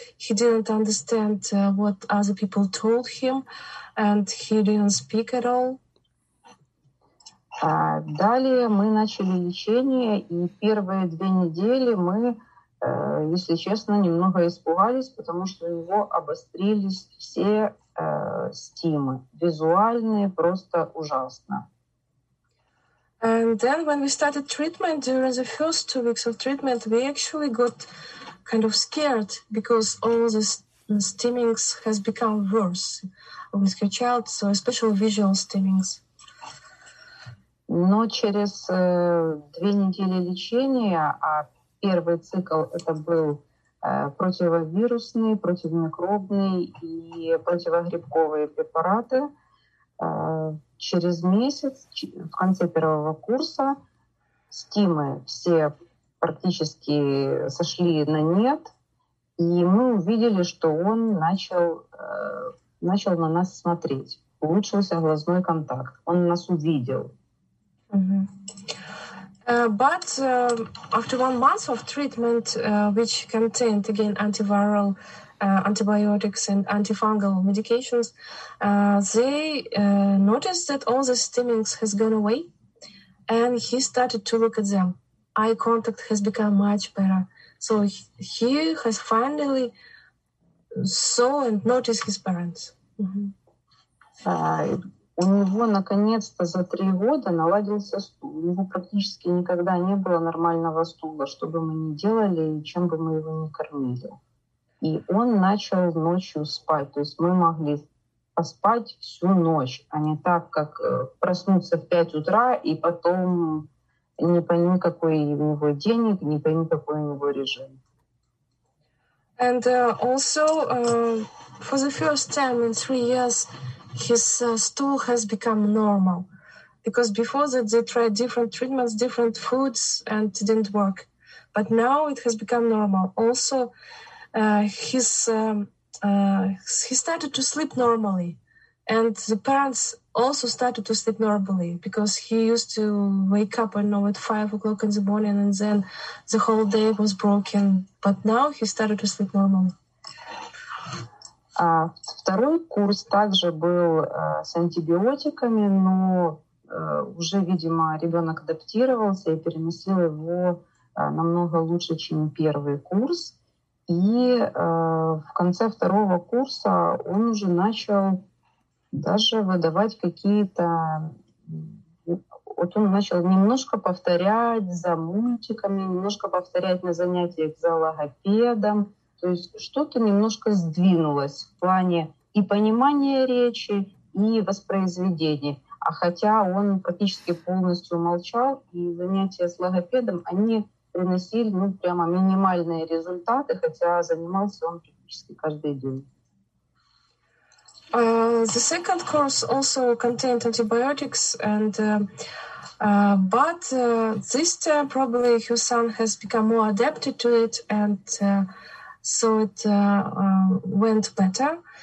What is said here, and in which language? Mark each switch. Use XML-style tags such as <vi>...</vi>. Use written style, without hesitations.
<en>He didn't understand what other people told him, and he didn't speak at all.</en> <ru>Далее мы начали лечение, и первые 2 недели мы, если честно, немного испугались, потому что у него обострились все стимы. Визуальные просто ужасно.</ru> <en>And then when we started treatment, during the first 2 weeks of treatment, we actually got kind of scared, because all the stimmings has become worse with your child, so especially visual stimmings.</en> <ru>Но через 2 недели лечения, а первый цикл это был противовирусные, противомикробные и противогрибковые препараты, через месяц, в конце первого курса, стимы все практически сошли на нет, и мы увидели, что он начал на нас смотреть. Улучшился глазной контакт. Он нас увидел.</ru> <en>But after 1 month of treatment, which contained, again, antiviral, antibiotics and antifungal medications, they noticed that all the stimmings has gone away, and he started to look at them. Eye contact has become much better. So he has finally saw and noticed his parents. Mm-hmm.</en> <ru>У него наконец-то за 3 года наладился стул. У него практически никогда не было нормального стула, что бы мы ни делали и чем бы мы его ни кормили. И он начал ночью спать. То есть мы могли поспать всю ночь, а не так, как проснуться в 5 утра и потом не пойми, какой у него денег, не пойми, какой у него режим.</ru> <en>And also for the first time in 3 years his stool has become normal, because before that they tried different treatments, different foods, and it didn't work. But now it has become normal. Also, he started to sleep normally, And the parents also started to sleep normally because he used to wake up, I know, at 5 o'clock in the morning, and then the whole day was broken. But now he started to sleep normally.</en> <ru>Второй курс также был с антибиотиками, но уже, видимо, ребенок адаптировался и переносил его намного лучше, чем первый курс. И в конце второго курса он уже начал даже выдавать какие-то... Вот он начал немножко повторять за мультиками, немножко повторять на занятиях за логопедом. То есть что-то немножко сдвинулось в плане и понимания речи, и воспроизведения. А хотя он практически полностью молчал, и занятия с логопедом, они приносили, ну, прямо минимальные результаты, хотя занимался он практически каждый день.</ru> <en>The second course also contained antibiotics, and but this time probably his son has become more adapted to it, and so it went better.</en>